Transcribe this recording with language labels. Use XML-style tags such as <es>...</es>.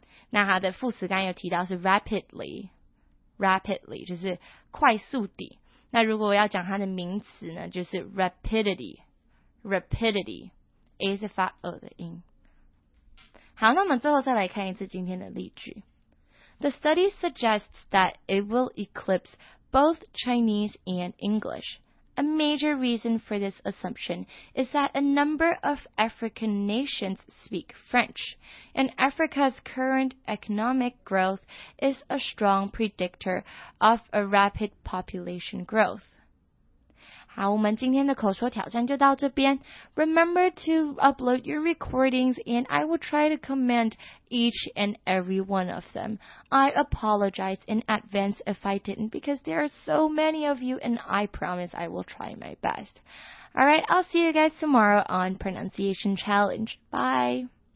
<zh>那它的副词刚有提到是 rapidly,Rapidly, 就是快速地。那如果我要讲它的名词呢，就是 rapidity, rapidity, A 是发 O 的音。好，那我们最后再来看一次今天的例句。</zh> <en>The study suggests that it will eclipse both Chinese and English. A major reason for this assumption is that a number of African nations speak French, and Africa's current economic growth is a strong predictor of a rapid population growth.</en> <zh>好，我们今天的口说挑战就到这边。</zh> <en>Remember to upload your recordings, and I will try to comment each and every one of them. I apologize in advance if I didn't, because there are so many of you, and I promise I will try my best. All right, I'll see you guys tomorrow on Pronunciation Challenge. Bye!</en>